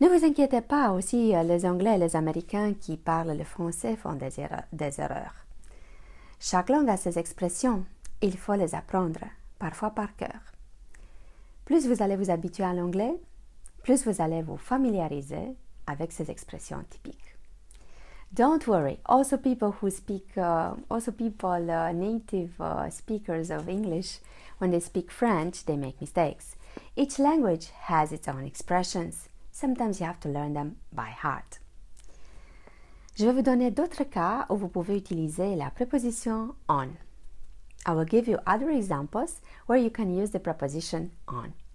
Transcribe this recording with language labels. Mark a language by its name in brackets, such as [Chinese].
[French] Ne vous inquiétez pas aussi, les Anglais et les Américains qui parlent le français font des erreurs. Chaque langue a ses expressions. Il faut les apprendre, parfois par cœur. Plus vous allez vous habituer à l'anglais, plus vous allez vous familiariser avec ces expressions typiques. [English] Don't worry. Also, people who speak, native speakers of English, when they speak French, they make mistakes. Each language has its own expressions. Sometimes you have to learn them by heart. [French] Je vais vous donner d'autres cas où vous pouvez utiliser la préposition on. [English] I will give you other examples where you can use the preposition on.